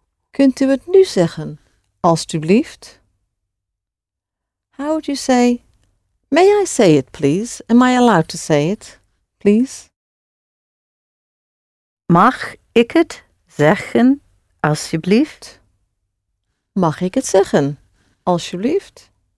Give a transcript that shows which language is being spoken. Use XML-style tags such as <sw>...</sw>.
<nl>Kunt u het nu zeggen, alstublieft?</nl> <en>How would you say, may I say it, please? Am I allowed to say it, please?</en> <nl>Mag ik het zeggen, alsjeblieft? Mag ik het zeggen, alsjeblieft?</nl>